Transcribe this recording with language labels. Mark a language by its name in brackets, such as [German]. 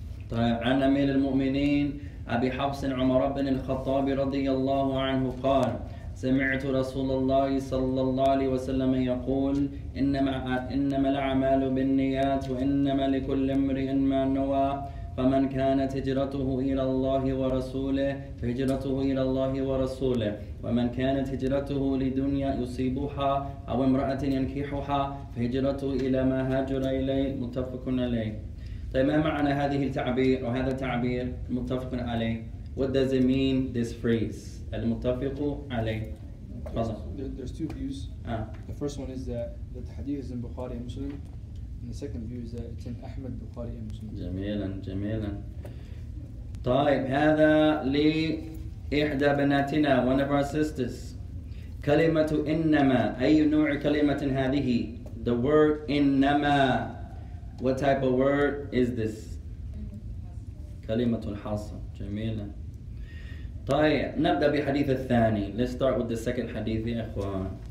[Arabic] طيب عن أمير المؤمنين أبي حفص عمر بن الخطاب رضي الله عنه قال سمعت رسول الله صلى الله عليه وسلم يقول إنما الأعمال بالنيات وإنما لكل امرئ ما نوى فمن كانت هجرته إلى الله ورسوله فهجرته إلى الله ورسوله ومن كانت هجرته لدنيا يصيبها أو امرأة ينكحها فهجرته إلى ما هاجر إليه متفق عليه. طيب ما معنى هذه التعبير وهذا التعبير متفق عليه؟ [English] What does it mean this phrase [Arabic] المتفق عليه؟ [English] There's two views. The first one is that the hadith is in Bukhari and Muslim. And the second view is that it's in Ahmad, Bukhari, and Muslim. [Arabic] جميلاً جميلاً. طيب هذا لإحدى بناتنا, [English] one of our sisters. [Arabic] كلمة إنما, أي نوع كلمة هذه؟ [English] The word [Arabic] إنما. [English] What type of word is this? [Arabic] كلمة الحصة. جميلاً. طيب نبدأ بحديث الثاني. [English] Let's start with the second hadith, [Arabic] يا إخوان.